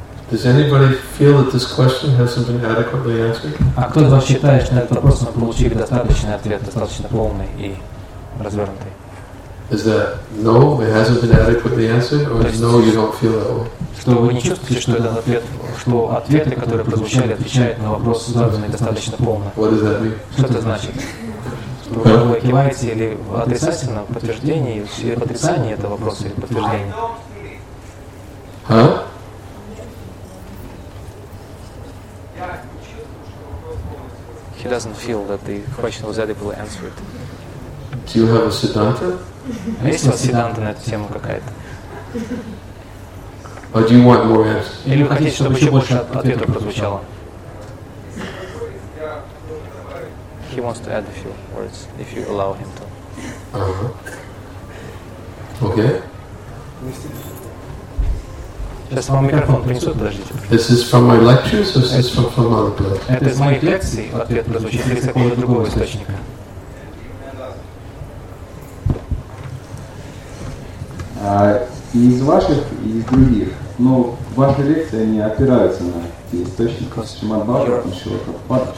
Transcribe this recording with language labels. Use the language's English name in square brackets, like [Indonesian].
[English] Does anybody feel that this question hasn't been adequately answered? [Russian] А кто из вас считает, что на этот вопрос мы получили достаточный ответ, достаточно полный и развернутый? [English] Is that no, it hasn't been adequately answered, or no, you don't feel that way? [Russian] Что вы не чувствуете, что этот ответ, что ответы, которые прозвучали, отвечают на вопрос, заданный достаточно полно? [English] What does that mean? [Russian] Что это значит? Что вы киваете или в отрицательном подтверждении, или в отрицании этого вопроса, или подтверждения? А? [English] He doesn't feel that the question was adequately answered. Do you have a siddhanta? [Russian] А есть у вас сиддханта на эту тему какая-то? [English] Or do you want more answers? [Russian] Или вы хотите, чтобы еще больше ответов прозвучало? [English] He wants to add a few words, if you allow him to. Uh-huh. Okay. [Russian] Сейчас вам микрофон принесут, подождите. [English] This is from my lectures, or this is from other places? [Russian] Это из моих лекций, ответ прозвучит, или из какого-то другого источника. Из ваших и из других. Но ваши лекции, они опираются на те источники Шримад Бхагаватам, Шрила Прабхупада.